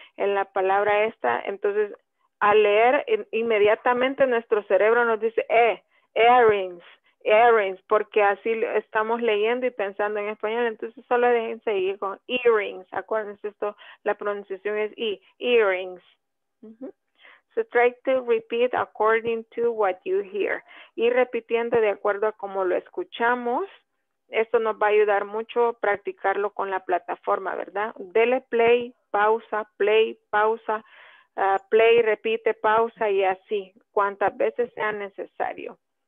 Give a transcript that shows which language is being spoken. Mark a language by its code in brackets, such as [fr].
[es] En la palabra esta, entonces, al leer, inmediatamente nuestro cerebro nos dice, earrings, earrings, porque así estamos leyendo y pensando en español, entonces solo dejen seguir con earrings. Acuérdense esto, la pronunciación es E, earrings. [en] So try to repeat according to what you hear. [es] Y repitiendo de acuerdo a cómo lo escuchamos, esto nos va a ayudar mucho a practicarlo con la plataforma, ¿verdad? Dele play, pausa, play, pausa, play, repite, pausa y así, cuantas veces sea necesario.